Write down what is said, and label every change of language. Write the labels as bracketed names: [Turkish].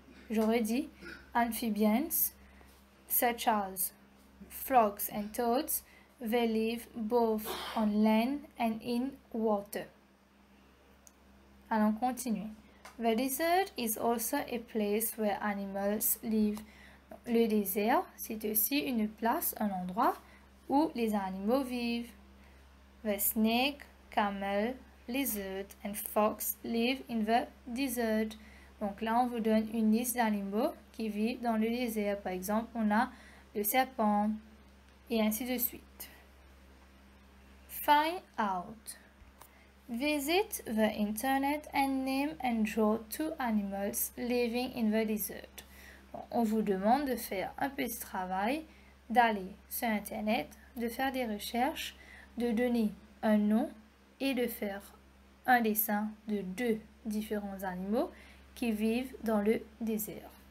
[French] J'aurais dit [English] amphibians, such as frogs and toads, they live both on land and in water. [French] Allons continuer. [English] The desert is also a place where animals live. [French] Le désert, c'est aussi une place, un endroit où les animaux vivent. [English] The snake, camel, lizard and fox live in the desert. [French] Donc là, on vous donne une liste d'animaux qui vivent dans le désert. Par exemple, on a le serpent et ainsi de suite. [English] Find out. Visit the internet and name and draw two animals living in the desert. [French] Bon, on vous demande de faire un petit travail, d'aller sur internet, de faire des recherches, de donner un nom et de faire un dessin de deux différents animaux qui vivent dans le désert.